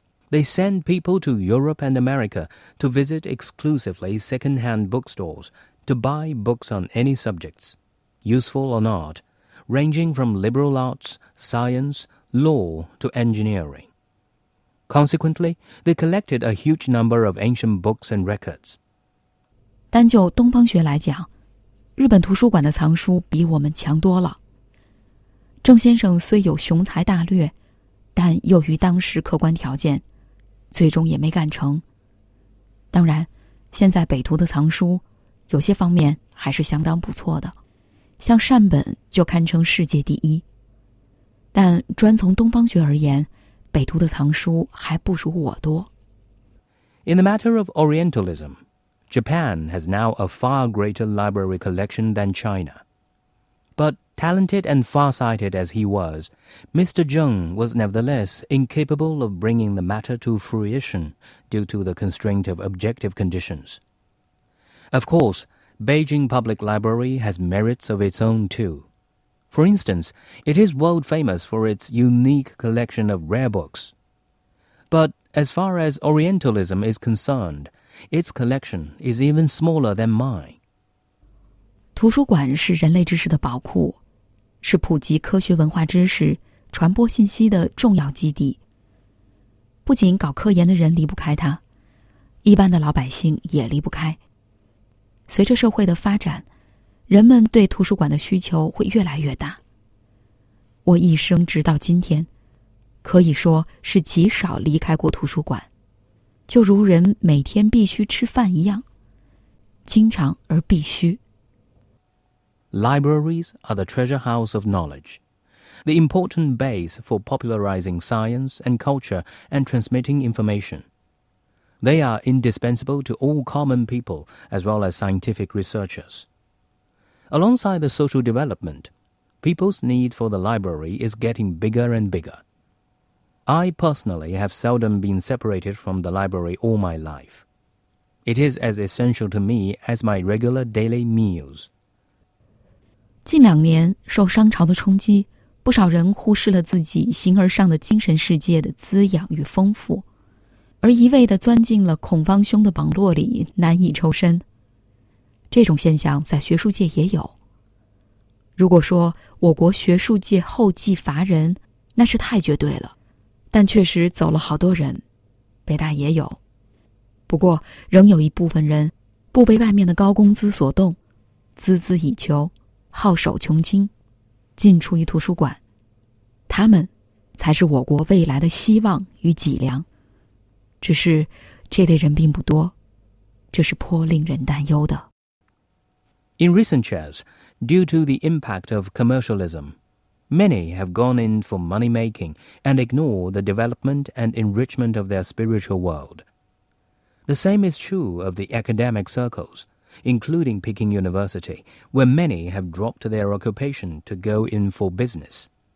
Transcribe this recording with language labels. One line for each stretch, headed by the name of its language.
English: They send people to Europe and America to visit exclusively second-hand bookstores to buy books on any subjects, useful or not,ranging from liberal arts, science, law, to engineering. Consequently, they collected a huge number of ancient books and records.
Chinese: 单就东方学来讲，日本图书馆的藏书比我们强多了。郑先生虽有雄才大略，但由于当时客观条件，最终也没干成。当然，现在北图的藏书，有些方面还是相当不错的。像善本就堪称世界第一，但专从东方学而言，北图的藏书还不如我多。
English: In the matter of Orientalism, Japan has now a far greater library collection than China. But talented and far-sighted as he was, Mr. Zheng was nevertheless incapable of bringing the matter to fruition due to the constraint of objective conditions. Of course,Beijing Public Library has merits of its own, too. For instance, it is world famous for its unique collection of rare books. But as far as Orientalism is concerned, its collection is even smaller than mine.
Chinese: 图书馆是人类知识的宝库，是普及科学文化知识、传播信息的重要基地。不仅搞科研的人离不开它，一般的老百姓也离不开。随着社会的发展，人们对图书馆的需求会越来越大。我一生直到今天，可以说是极少离开过图书馆，就如人每天必须吃饭一样，经常而必须。
English: Libraries are the treasure house of knowledge, the important base for popularizing science and culture and transmitting information. They are indispensable to all common people as well as scientific researchers. Alongside the social development, people's need for the library is getting bigger and bigger. I personally have seldom been separated from the library all my life. It is as essential to me as my regular daily meals.
Chinese: 近两年受商潮的冲击，不少人忽视了自己形而上的精神世界的滋养与丰富，而一味地钻进了孔方兄的网络里，难以抽身。这种现象在学术界也有。如果说我国学术界后继乏人，那是太绝对了，但确实走了好多人，北大也有。不过仍有一部分人不被外面的高工资所动，孜孜以求，好守穷经，进出于图书馆，他们才是我国未来的希望与脊梁。只是这类人并不多，这是颇令人担忧的。
English: In recent years, due to the impact of commercialism, many have gone in for money-making and ignore the development and enrichment of their spiritual world. The same is true of the academic circles, including Peking University, where many have dropped their occupation to go in for business.